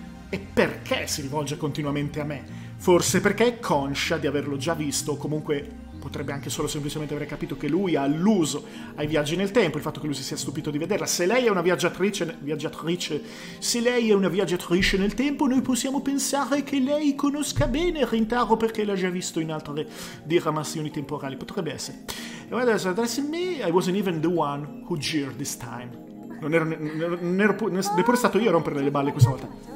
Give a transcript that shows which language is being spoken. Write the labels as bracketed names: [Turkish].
[Italian] E perché si rivolge continuamente a me? Forse perché è conscia di averlo già visto, o comunque potrebbe anche solo semplicemente aver capito che lui ha alluso ai viaggi nel tempo, il fatto che lui si sia stupito di vederla. Se lei è una viaggiatrice nel tempo, noi possiamo pensare che lei conosca bene Rintaro perché l'ha già visto in altre diramazioni temporali. Potrebbe essere. E quando adesso [English] address me, I wasn't even the one who jeered this time. [Italian] Non ero neppure stato io a romperle le balle questa volta.